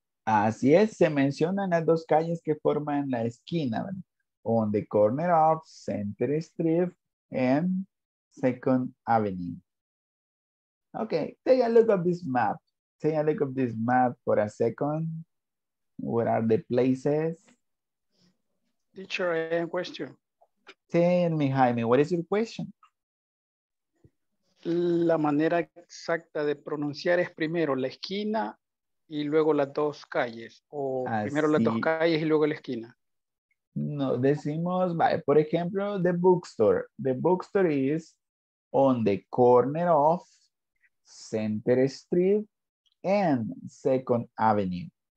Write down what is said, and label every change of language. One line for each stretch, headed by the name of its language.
Spanish: Así es, se mencionan las dos calles que forman la esquina, ¿verdad?
English: On the corner of Center Street and Second Avenue. Okay, take a look at this map. Take a look at this map for a second. What are the places? Teacher, I have a question. Tell me, Jaime, what is your question?
Spanish: La manera exacta de pronunciar es primero la esquina y luego las dos calles. O así. Primero las dos calles y luego la esquina. No, decimos, por ejemplo,
English: the bookstore. The bookstore is on the corner of Center Street and Second Avenue.